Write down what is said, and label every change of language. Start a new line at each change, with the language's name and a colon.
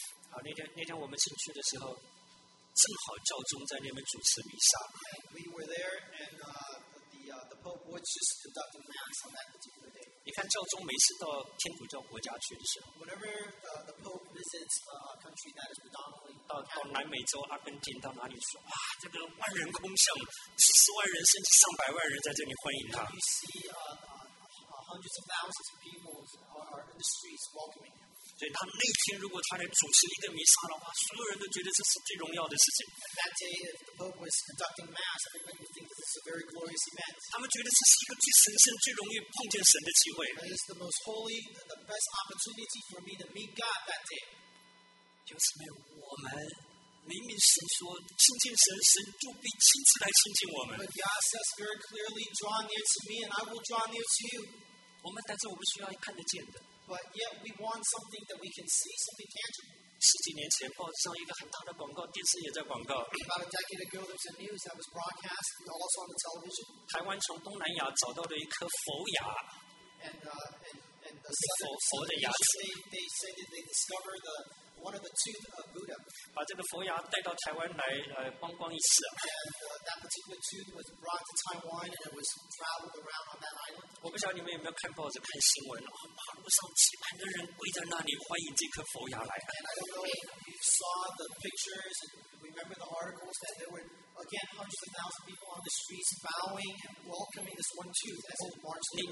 Chinese: 好，那天我们进去的时候，正好教宗在那边主持弥撒。
English: We were there, and the Pope was just conducting mass on that particular day.
Chinese: 你看，教宗每次到天主教国家去的时候
English: ，Whenever the Pope visits a country that is predominantly
Chinese: 到南美洲、阿根廷到哪里去，哇，这个万人空巷，几十万人甚至上百万人在这里欢迎他。
English: You see, hundreds of thousands of people are in the streets welcoming him.
Chinese: 所以他那天如果他来主持一个弥撒的话，所有人都觉得这是最荣耀的事情。
English: And that day, if the Pope was conducting mass, everybody would think that this is a very glorious event.
Chinese: 他们觉得这是一个最神圣、最容易碰见神的机会。
English: It is the most holy, the best opportunity for me to meet God that day.
Chinese: 就是没有我们。明明神说亲近神，神就必亲自来亲近我们。 But God says very clearly, "Draw near to me, and I will draw near to you." 我我们但是我们需要看得见的。
English: But yet we want something that we can see, something tangible.
Chinese: 十几年前，报上一个很大的广告，电视也在广告。
English: About a decade ago, there was a news that was broadcast and also on the television.
Chinese: 台湾从东南亚找到了一颗佛牙。
English: And the southern, they discovered one of the tooth of Buddha.
Chinese: 把这个佛牙带到台湾来, 观光一次。
English: And that particular tooth was brought to Taiwan and it was traveled around on that island.
Chinese: 我不晓得你们有没有看报纸看新闻，马路上几万个人围在那里欢迎这颗佛牙来。
English: And I don't know if you saw the pictures and remember the articles that there were again hundreds of thousands of people on the streets bowing and welcoming this one tooth as it marched.